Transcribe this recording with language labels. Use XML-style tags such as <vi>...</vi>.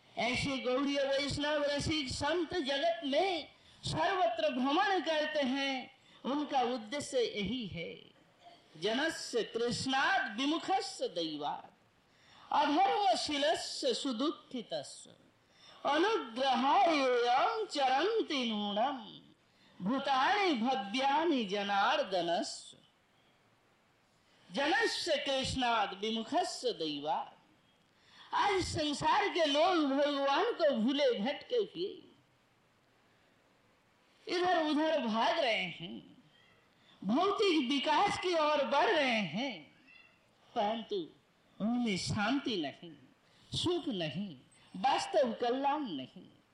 <hi>ऐसे गौड़ीय वैष्णव रसिक संत जगत में सर्वत्र भ्रमण करते हैं, उनका उद्देश्य यही है,</hi> <sa>जनस्य तृष्णात् विमुखस्य दैवात् अधर्मशीलस्य सुदुःखितस्य अनुग्रहायोऽयं चरन्ति नूनं भूतानि भव्यानि जनार्दनस्य। जनस्य तृष्णात् विमुखस्य दैवात्।</sa> <hi>आज संसार के लोग भगवान को भूले भटके हुए इधर उधर भाग रहे हैं, भौतिक विकास की ओर बढ़ रहे हैं, परंतु उनमें शांति नहीं, सुख नहीं, वास्तव कल्याण नहीं।</hi>